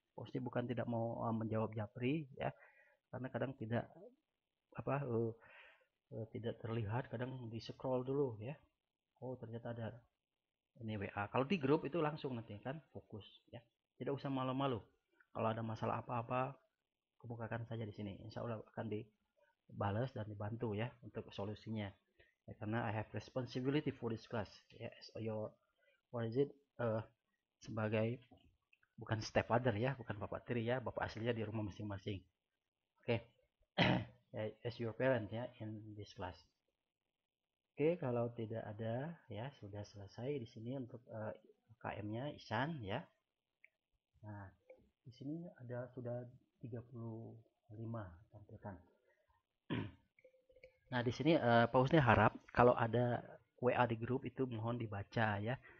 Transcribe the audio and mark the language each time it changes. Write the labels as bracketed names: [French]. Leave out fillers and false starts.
[Indonesian] Posni bukan tidak mau menjawab japri, ya, karena kadang tidak apa, tidak terlihat, kadang di scroll dulu, ya. Oh, ternyata ada. Ini WA. Kalau di grup itu langsung nanti kan fokus ya. Tidak usah malu-malu. Kalau ada masalah apa-apa, kemukakan saja di sini. Insya Allah akan dibalas dan dibantu ya untuk solusinya. Ya, karena [English] I have responsibility for this class. [Indonesian] Ya, [English] so your what is it? [Indonesian] Sebagai bukan stepfather ya, bukan bapak tiri ya, bapak aslinya di rumah masing-masing. Oke. Okay. [English] Ya, as your parent ya in this class. [Indonesian] Oke, okay, kalau tidak ada ya sudah selesai di sini untuk KM-nya Isan ya. Nah, di sini ada sudah 35 tampilan. Nah, di sini Pausnya harap kalau ada WA di grup itu mohon dibaca ya.